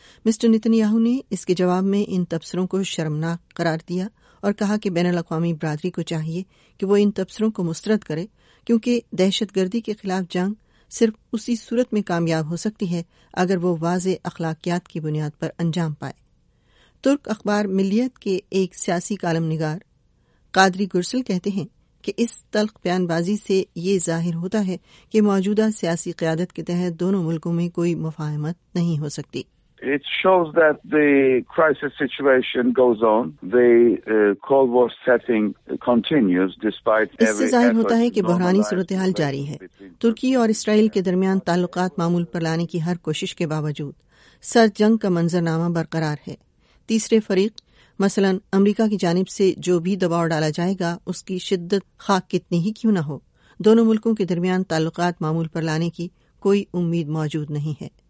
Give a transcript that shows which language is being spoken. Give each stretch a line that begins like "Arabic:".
Urdu: Mister Netanyahu نے اس کے جواب میں ان تبصروں کو شرمناک قرار دیا اور کہا کہ بین الاقوامی برادری کو چاہیے کہ وہ ان تبصروں کو مسترد کرے، کیونکہ دہشت گردی کے خلاف جنگ صرف اسی صورت میں کامیاب ہو سکتی ہے اگر وہ واضح اخلاقیات کی بنیاد پر انجام پائے. ترک اخبار ملیت کے ایک سیاسی کالم نگار قادری گرسل کہتے ہیں کہ اس تلخ بیان بازی سے یہ ظاہر ہوتا ہے کہ موجودہ سیاسی قیادت کے تحت دونوں ملکوں میں کوئی مفاہمت نہیں ہو سکتی.
English: It shows that the crisis situation goes on. The Cold War setting continues despite every effort.
Urdu: اس سے ظاہر ہوتا ہے کہ بحرانی صورتحال جاری ہے. ترکی اور اسرائیل کے درمیان تعلقات معمول پر لانے کی ہر کوشش کے باوجود سرد جنگ کا منظرنامہ برقرار ہے. تیسرے فریق مثلا امریکہ کی جانب سے جو بھی دباؤ ڈالا جائے گا اس کی شدت خاک کتنی ہی کیوں نہ ہو، دونوں ملکوں کے درمیان تعلقات معمول پر لانے کی کوئی امید موجود نہیں ہے.